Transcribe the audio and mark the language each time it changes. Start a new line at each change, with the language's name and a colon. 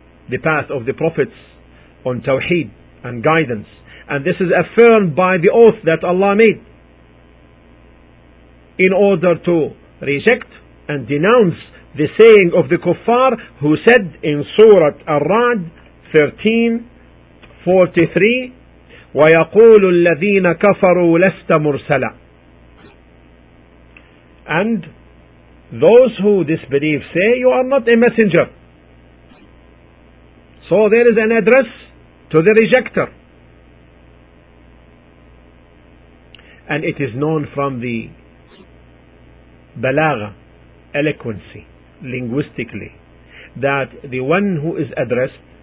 English: The path of the Prophets on Tawheed and guidance. And this is affirmed by the oath that Allah made in order to reject and denounce the saying of the Kuffar who said in Surah Ar-Ra'd 13:43,
Arabic: ويقول الذين كفروا لست مرسلا.
English: And those who disbelieve say, you are not a messenger. So there is an address to the rejecter. And it is known from the balagha, eloquency, linguistically, that the one who is addressed